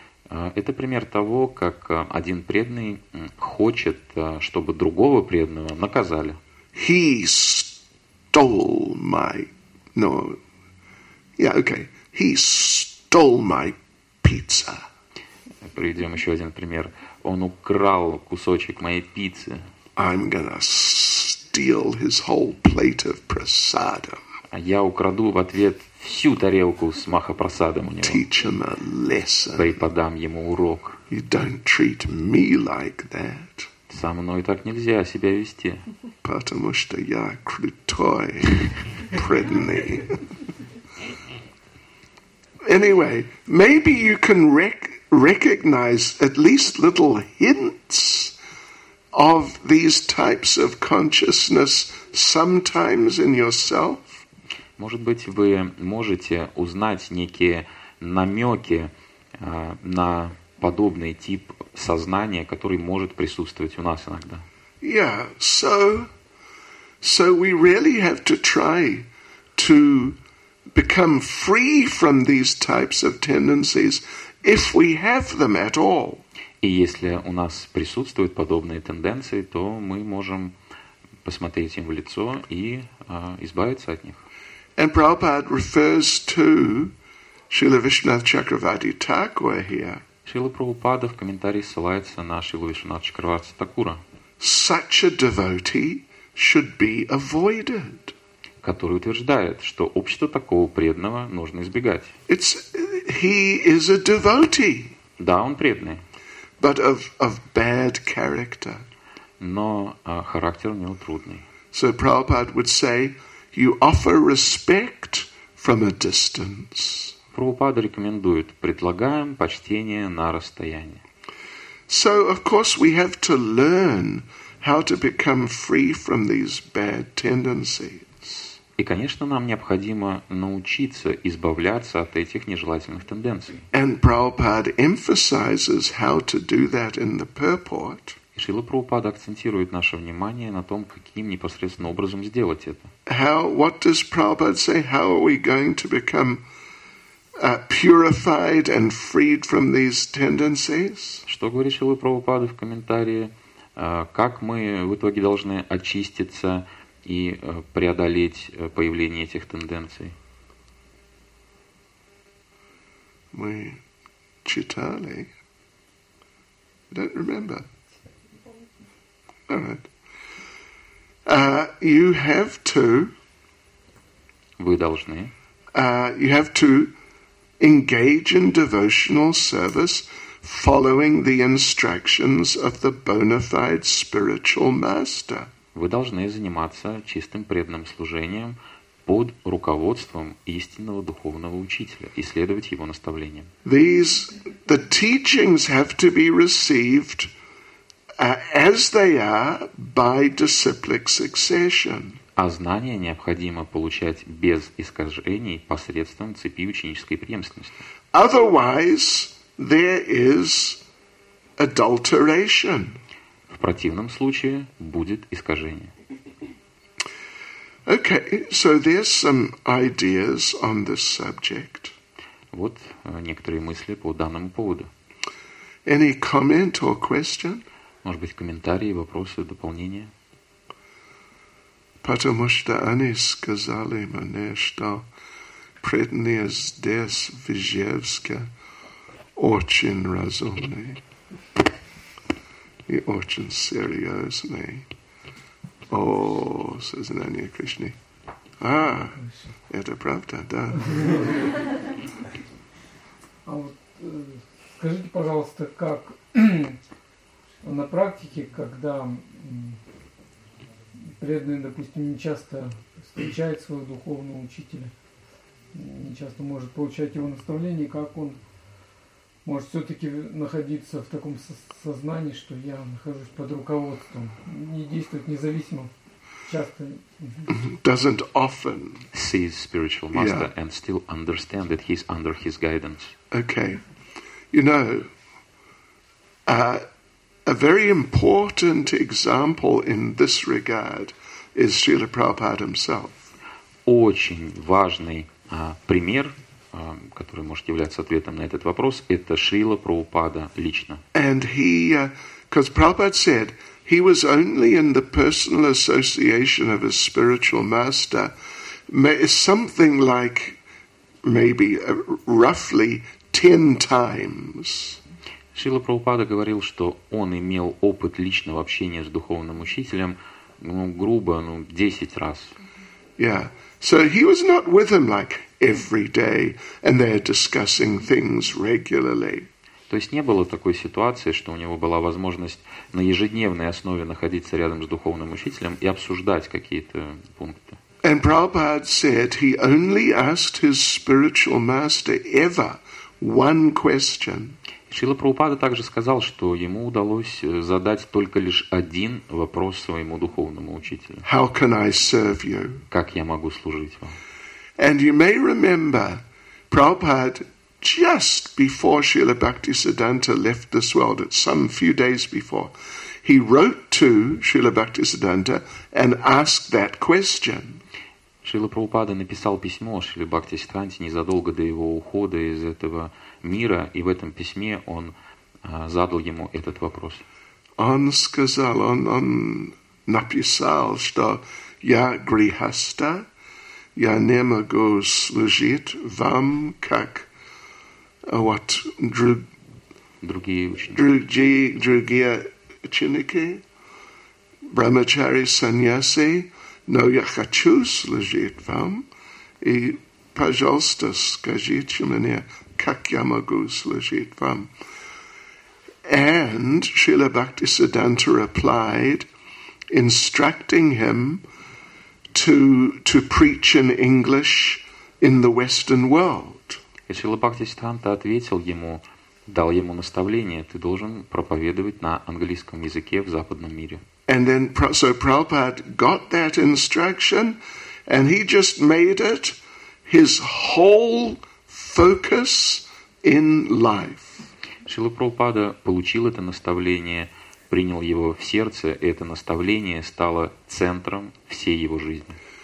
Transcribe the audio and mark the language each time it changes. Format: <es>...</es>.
<ru>Это пример того, как один преданный хочет, чтобы другого преданного наказали.</ru> <en>He stole my... No. Yeah, okay. He stole my pizza.</en> <ru>Приведем еще один пример. Он украл кусочек моей пиццы.</ru> <en>I'm gonna steal his whole plate of prasadam.</en> <ru>Я украду в ответ всю тарелку с махапрасадом у него.</ru> <en>Teach him a lesson.</en> <ru>Преподам ему урок.</ru> <en>You don't treat me like that.</en> <ru>Со мной так нельзя себя вести. Потому что я крутой преданный.</ru> <en>Anyway, maybe you can recognize at least little hints of these types of consciousness sometimes in yourself.</en> <ru>Может быть, вы можете узнать некие намеки на подобный тип сознания, который может присутствовать у нас иногда.</ru> <en>Yeah, so we really have to try to become free from these types of tendencies if we have them at all.</en> <ru>И если у нас присутствуют подобные тенденции, то мы можем посмотреть им в лицо и избавиться от них.</ru> <en>And Prabhupada refers to Srila Vishwanatha Chakravarti Thakura here.</en> <ru>Шрила Прабхупада в комментарии ссылается на Шрилу Вишванатху Чакраварти Такура.</ru> <en>Such a devotee should be avoided.</en> <ru>Который утверждает, что общество такого преданного нужно избегать.</ru> <en>It's, he is a devotee.</en> <ru>Да, он преданный.</ru> <en>But of bad character.</en> <ru>Но характер у него трудный.</ru> <en>So Prabhupada would say, you offer respect from a distance.</en> <ru>Прабхупада рекомендует: предлагаем почтение на расстоянии.</ru> <en>So, of course, we have to learn how to become free from these bad tendencies.</en> <ru>И, конечно, нам необходимо научиться избавляться от этих нежелательных тенденций.</ru> <en>And Prabhupada emphasizes how to do that in the purport.</en> <ru>И Шрила Прабхупада акцентирует наше внимание на том, каким непосредственно образом сделать это.</ru> <en>How, what does Prabhupada say? How are we going to become purified and freed from these tendencies?</en> <ru>Что говорит Шрила Прабхупада в комментарии? Как мы в итоге должны очиститься и преодолеть появление этих тенденций? Мы читали.</ru> <en>I don't remember. All right. You have to.</en> <ru>Вы должны.</ru> <en>You have to engage in devotional service following the instructions of the bona fide spiritual master.</en> <ru>Вы должны заниматься чистым преданным служением под руководством истинного духовного учителя и следовать его наставлениям.</ru> <en>The teachings have to be received as they are by disciplic succession.</en> <ru>А знания необходимо получать без искажений посредством цепи ученической преемственности.</ru> <en>Otherwise, there is adulteration.</en> <ru>В противном случае будет искажение.</ru> <en>Okay, so there's some ideas on this subject.</en> <ru>Вот некоторые мысли по данному поводу.</ru> <en>Any comment or question?</en> <ru>Может быть, комментарии, вопросы, дополнения? Потому что они сказали мне, что предные здесь, в Ижевске, очень разумные и очень серьезные. О, сознание Кришны. А, это правда, да. А вот скажите, пожалуйста, как на практике, когда преданный, допустим, не часто встречает своего духовного учителя, не часто может получать его наставление, как он может все-таки находиться в таком сознании, что я нахожусь под руководством, не действует независимо, часто...</ru> <en>Doesn't often see his spiritual master yeah. and still understand that he's under his guidance. Okay. You know, a very important example in this regard is Srila Prabhupada himself.</en> <ru>Очень важный пример, который может являться ответом на этот вопрос, это Шрила Прабхупада лично.</ru> <en>And he, because Prabhupada said he was only in the personal association of his spiritual master, something like maybe roughly 10 times.</en> <ru>Шрила Прабхупада говорил, что он имел опыт личного общения с духовным учителем, ну, грубо, ну, 10 раз.</ru> <en>Yeah. So he was not with him like every day and they're discussing things regularly.</en> <ru>То есть не было такой ситуации, что у него была возможность на ежедневной основе находиться рядом с духовным учителем и обсуждать какие-то пункты.</ru> <en>And Prabhupada said he only asked his spiritual master ever one question.</en> <ru>Шрила Прабхупада также сказал, что ему удалось задать только лишь один вопрос своему духовному учителю.</ru> <en>How can I serve you?</en> <ru>Как я могу служить вам?</ru> <en>And you may remember, Prabhupada, just before Srila Bhaktisiddhanta left this world, at some few days before, he wrote to Srila Bhaktisiddhanta and asked that question.</en> <ru>Шрила Прабхупада написал письмо Шриле Бхактисиддханте незадолго до его ухода из этого мира, и в этом письме он задал ему этот вопрос. Он сказал, он написал, что «Я грихаста, я не могу служить вам, как вот, другие ученики, брахмачари, саньяси». Но я хочу служить вам, и, пожалуйста, скажите мне, как я могу служить вам.</ru> <en>And Srila Bhaktisiddhanta replied, instructing him to preach in English in the Western world.</en> <ru>И Шрила Бхактисиддханта ответил ему, дал ему наставление, ты должен проповедовать на английском языке в западном мире.</ru> <en>And then, so Prabhupada got that instruction, and he just made it his whole focus in life.</en> <ru>Шрила Прабхупада получил это наставление, принял его в сердце, и это наставление стало центром всей его жизни.</ru>